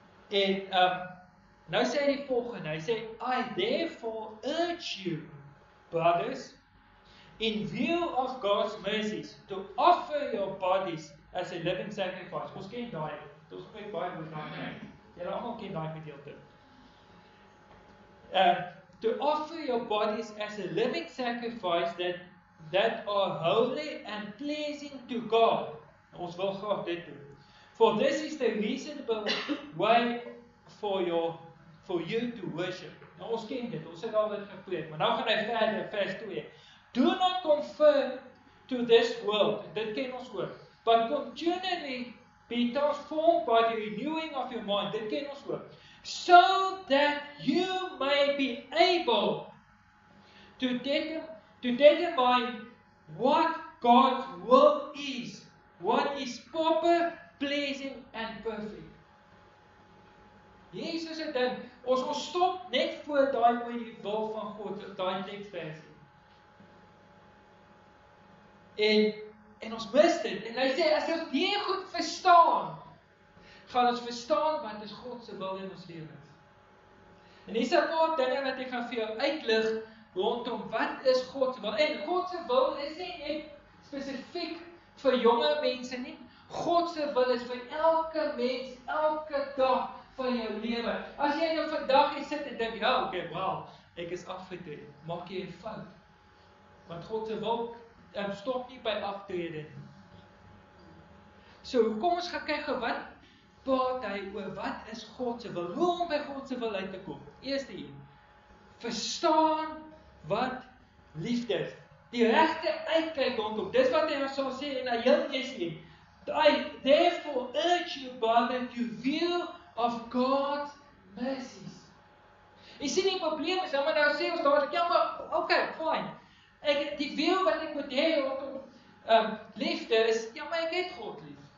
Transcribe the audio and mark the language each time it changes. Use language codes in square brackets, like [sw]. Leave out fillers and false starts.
[af] En nou sê hy die volgende, hy sê, [en] I therefore urge you, brothers, in view of God's mercies, to offer your bodies as a living sacrifice. [af] Ons ken daai, ons preek baie oor daai, jy almal ken daai gedeelte. [en] To offer your bodies as a living sacrifice that are holy and pleasing to God. [af] Ons wil graag dit doen. [en] For this is the reasonable way for you to worship. [af] Nou ons ken dit, ons het al dit gepreek, maar nou gaan hy verder vers 2. [en] Do not conform to this world. [af] Dit ken ons ook. [en] But continually be transformed by the renewing of your mind. [af] Dit ken ons ook. [en] So that you may be able to determine what God's will is, what is proper, pleasing and perfect. [af] Jesus het dit, ons stop net voor daai mooi wil van God, daai tekvers. En ons mis dit. En hy sê as ons nie goed verstaan, gaan ons verstaan wat is God se wil in ons lewens. En hier's 'n paar dinge wat ek gaan vir jou uitlig rondom wat is God se wil. En God se wil is nie net spesifiek vir jonge mense nie. God se wil is vir elke mens, elke dag van jou lewe. As jy nou vandag hier sit en dink, "Ja, okay, wel, ek is afgetree." Maak jy 'n fout. Want God se wil stop nie by aftrede nie. So, kom ons gaan kyk gou wat praat hy oor wat is God se wil? Hoe om by God se wil uit te kom? Eerste een, verstaan wat liefde is. Die regte uitkyk rondom. Dis wat hy sal sê en hy heel eers sê, [en] I therefore urge you brother to view of God's mercies. [af] Jy sien die probleem is, maar nou sê ons dadelik, ja, maar okay, fine. Ek die wil wat ek moet hê rondom liefde is, ja, maar ek het God lief.